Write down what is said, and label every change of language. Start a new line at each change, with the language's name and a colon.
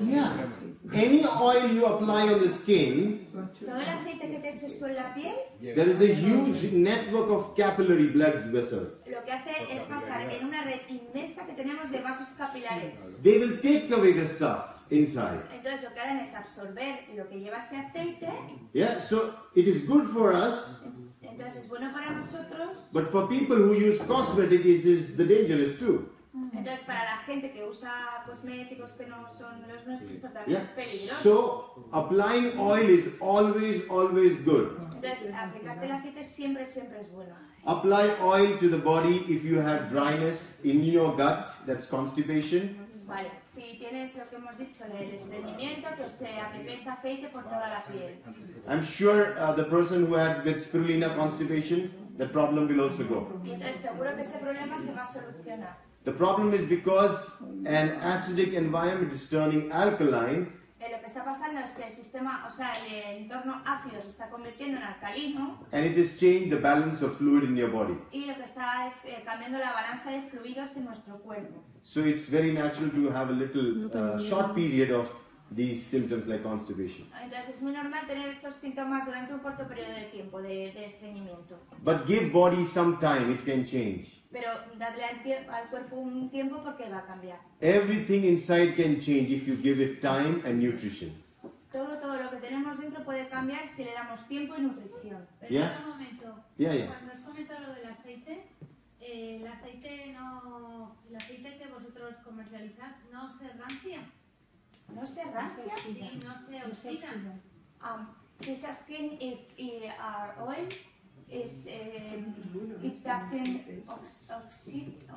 English: Yeah. Any oil you apply on the skin,
Spanish: todo el aceite que te eches tú en la piel,
English: there is a huge network of capillary blood vessels.
Spanish: Lo que hace es pasar en una red inmensa que tenemos de vasos capilares.
English: They will take away the stuff. inside.
Spanish: Entonces lo que harán es absorber lo que lleva ese aceite.
English: Yeah, so it is good for us.
Spanish: Entonces es bueno para nosotros.
English: But for people who use cosmetics, it is the dangerous too.
Spanish: Entonces para la gente que usa cosméticos que no son los nuestros, pues también es peligroso.
English: So applying oil is always, always good.
Spanish: Entonces aplicarte el aceite siempre, siempre es bueno.
English: Apply oil to the body if you have dryness in your gut, that's constipation.
Spanish: Vale, si tienes lo que hemos dicho, el estreñimiento, que se aplique ese aceite por toda la piel.
English: I'm sure the person who had with spirulina constipation, the problem will also go.
Spanish: Entonces seguro que ese problema se va a solucionar.
English: The problem is because an acidic environment is turning alkaline.
Spanish: Lo que está pasando es que el sistema, o sea, el entorno ácido se está convirtiendo en alcalino.
English: And it has changed the balance of fluid in your body.
Spanish: Y lo que está es cambiando la balanza de fluidos en nuestro cuerpo.
English: So it's very natural to have a little short period of these symptoms like constipation.
Spanish: Entonces es muy normal tener estos síntomas durante un corto periodo de tiempo de estreñimiento.
English: But give body some time, it can change.
Spanish: Pero darle al cuerpo un tiempo porque va a cambiar.
English: Everything inside can change if you give it time and nutrition.
Spanish: Todo lo que tenemos dentro puede cambiar si le damos tiempo y nutrición. Pero
English: yeah.
Spanish: Un momento.
English: Yeah, yeah.
Spanish: Cuando has comentado lo del aceite, el aceite que vosotros comercializáis no se rancia. No se rancia, no se oxida.
English: He's asking if our oil is it doesn't oxide.